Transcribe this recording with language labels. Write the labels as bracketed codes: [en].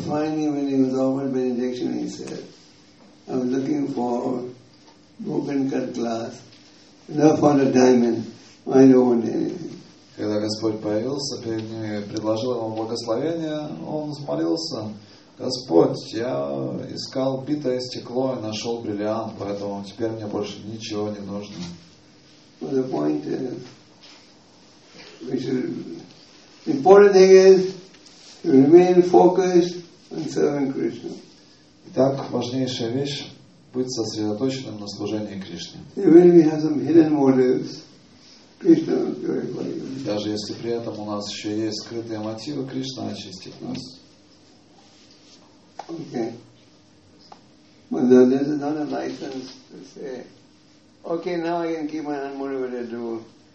[en] Finally, when he was offered benediction, he said, I'm looking for broken cut glass, not for a diamond. I don't want anything. [ru] Когда Господь появился перед ним и предложил ему благословение, он взмолился: Господь, я искал битое стекло и нашел бриллиант, поэтому теперь мне больше ничего не нужно. [en] The point is, we should, important thing is, remain focused on serving Krishna. [ru] Итак, важнейшая вещь — быть сосредоточенным на служении Кришне. [en] Even if we have some hidden motives, Krishna is very pleased. [ru] Даже если при этом у нас еще есть скрытые мотивы, Кришна очистит нас. [en] Okay. But this is not a license to say, okay, now I can keep my unmotivated do.